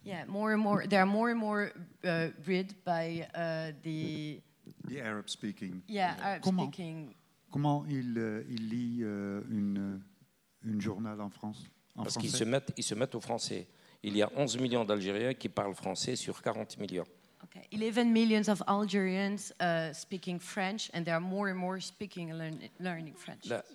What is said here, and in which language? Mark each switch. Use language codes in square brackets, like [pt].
[en] Yeah, more and more, they are more and more read by the Arab speaking. Yeah, Arab speaking. [fr] Comment il lit une journal en France en Parce français? Qu'ils se mettent au français. Il y a 11 millions d'Algériens qui parlent français sur 40 millions. [en] Okay. 11 million of Algerians speaking French, and there are more and more speaking and learning French.